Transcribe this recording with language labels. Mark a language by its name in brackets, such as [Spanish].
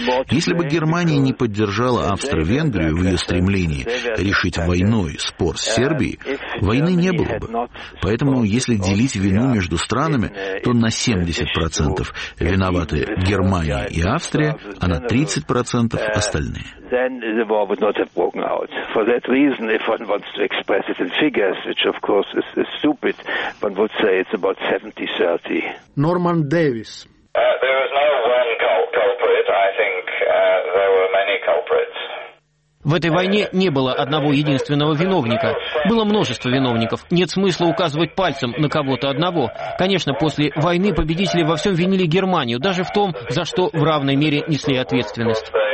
[Russian] Если бы Германия не поддержала Австро-Венгрию в ее стремлении решить войной спор с Сербией, войны не было бы. Поэтому, если делить вину между странами, то на 70% виноваты Германия и Австрия, а на 30% остальные. [English] Then the war would not have broken out. For that reason, if one wants to express it in figures, which of course is stupid, one would say it's about 70-30. Norman Davis. There was no one culprit. I think there were many culprits. [Russian] В этой войне не было одного единственного виновника. Было множество виновников. Нет смысла указывать пальцем на кого-то одного. Конечно, после войны победители во всем винили Германию, даже в том, за что в равной мере несли ответственность.